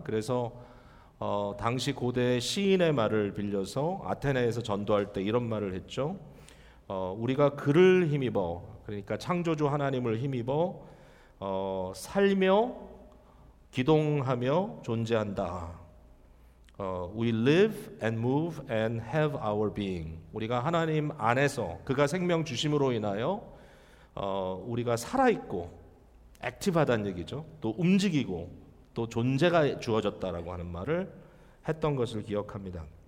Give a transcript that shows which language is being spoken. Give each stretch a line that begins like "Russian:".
Korean: 그래서 당시 고대 시인의 말을 빌려서 아테네에서 전도할 때 이런 말을 했죠. 우리가 그를 힘입어, 그러니까 창조주 하나님을 힘입어 살며 기동하며 존재한다.
English: We live and move and have our being.
Korean: 우리가 하나님 안에서 그가 생명 주심으로 인하여 우리가 살아있고 액티브하다는 얘기죠. 또 움직이고 또 존재가 주어졌다라고 하는 말을 했던 것을 기억합니다.